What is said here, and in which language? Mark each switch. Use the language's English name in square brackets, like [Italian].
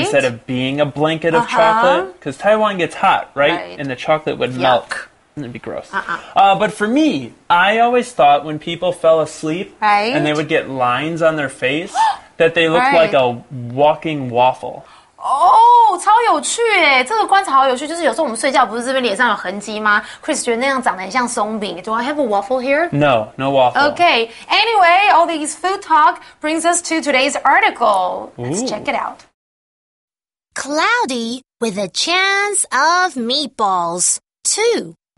[English] Instead of being a blanket of chocolate. Because Taiwan gets hot, right? And the chocolate would melt. It'd be gross. But for me, I always thought when people fell asleep and they would get lines on their face that they looked like a walking waffle. Oh, [Chinese] 超有趣耶！这个观察好有趣，就是有时候我们睡觉不是这边脸上有痕迹吗 ？Chris 觉得那样长得很像松饼。 [English] Do I have a waffle here? No, no waffle. Okay. Anyway, all these food talk brings us to today's article. Let's check it out. Cloudy with a chance of meatballs too.